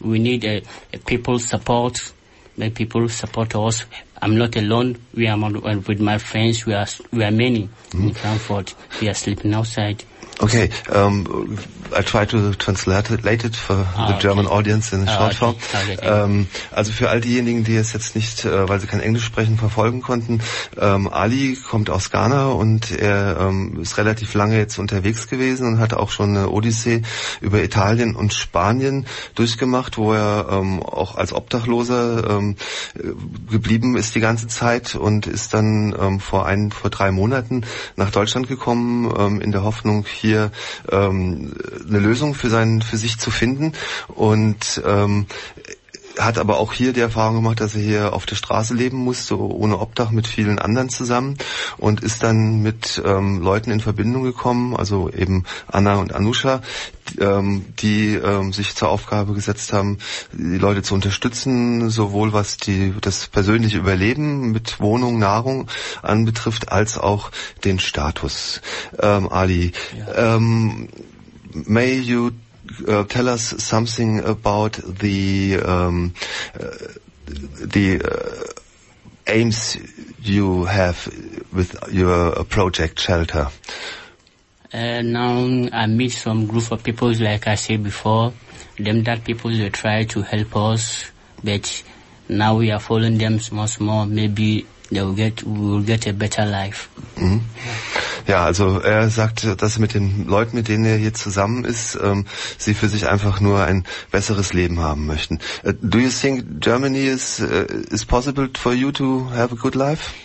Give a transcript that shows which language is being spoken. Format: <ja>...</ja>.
<en>We need a people support. May people support us. I'm not alone. We are with my friends. We are many in Frankfurt. We are sleeping outside. Okay, I try to translate it for the German audience in short form. Okay.</en> <de>Also für all diejenigen, die es jetzt nicht, weil sie kein Englisch sprechen, verfolgen konnten. Ali kommt aus Ghana und er ist relativ lange jetzt unterwegs gewesen und hat auch schon eine Odyssee über Italien und Spanien durchgemacht, wo er auch als Obdachloser geblieben ist die ganze Zeit und ist dann vor 3 Monaten nach Deutschland gekommen, in der Hoffnung, hier eine Lösung für sich zu finden, und hat aber auch hier die Erfahrung gemacht, dass er hier auf der Straße leben musste, ohne Obdach, mit vielen anderen zusammen, und ist dann mit Leuten in Verbindung gekommen, also eben Anna und Anusha, die sich zur Aufgabe gesetzt haben, die Leute zu unterstützen, sowohl was das persönliche Überleben mit Wohnung, Nahrung anbetrifft, als auch den Status. Ali, ja.</de> <en>May you tell us something about the aims you have with your project Shelter? Now I meet some group of people, like I said before, them that people will try to help us, but now we are following them small, small, maybe we will get a better life. Mm-hmm.</en> <de>Ja, also er sagt, dass mit den Leuten, mit denen er hier zusammen ist, sie für sich einfach nur ein besseres Leben haben möchten.</de> <en>Do you think Germany is possible for you to have a good life?</en>